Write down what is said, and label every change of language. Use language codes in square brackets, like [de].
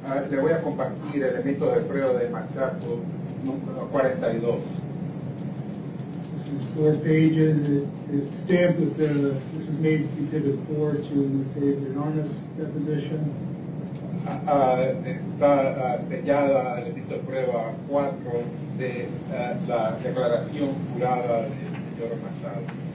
[es] Le voy a compartir elementos de prueba de Machado número 42. [en] This is four pages. It's stamped with the, this is made Exhibit 4 to save an honest deposition. [es] Está sellada el elemento de prueba 4 de la declaración jurada del señor Machado.